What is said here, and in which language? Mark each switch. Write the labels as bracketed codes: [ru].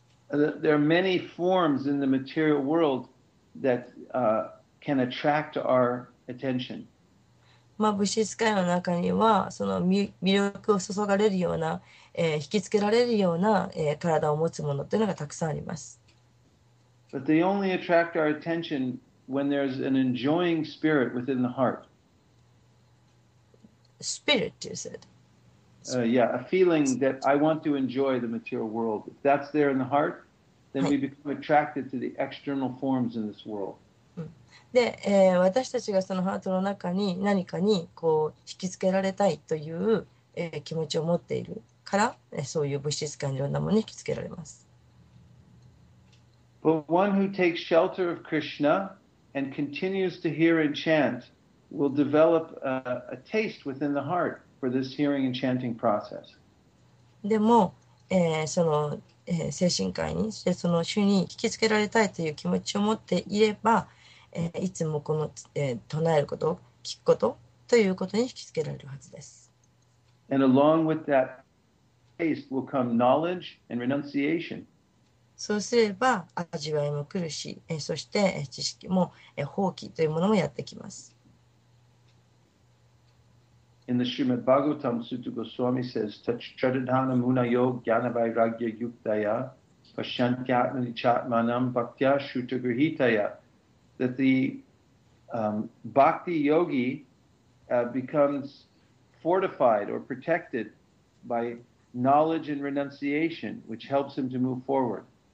[en] There are many forms in the material world that can attract our attention. [ja] まあ物質界の中にはその魅力を注がれるような、引きつけられるような、体を持つものというのがたくさんあります。 [en] But they only attract our attention when there's an enjoying spirit within the heart. Spirit, you said. A feeling that I want to enjoy the material world. If that's there in the heart, then we become attracted to the external forms in this world. [ja] で、私たちがそのハートの中に何かにこう引きつけられたいという、気持ちを持っているから、そういう物質感いろんなものに引きつけられます。 [en] But one who takes shelter of Krishna and continues to hear and chant will develop a taste within the heart. For this hearing and chanting process. [ja] でも、その、精神界にしてその主に引きつけられたいという気持ちを持っていれば、いつもこの、唱えること、聞くことということに引きつけられるはずです。 [en] And along with that taste will come knowledge and renunciation. [ja] そうすれば味わいも来るし、そして知識も、放棄というものもやってきます。 [en] In the Srimad Bhagavatam, Sutta Goswami says, [sa] Tachchadadhana munayo gyanavairagya yuktaya pashantyatmanichatmanam bhaktya shutagrihitaya, [en] that the bhakti yogi becomes fortified or protected by knowledge and renunciation, which helps him to move forward.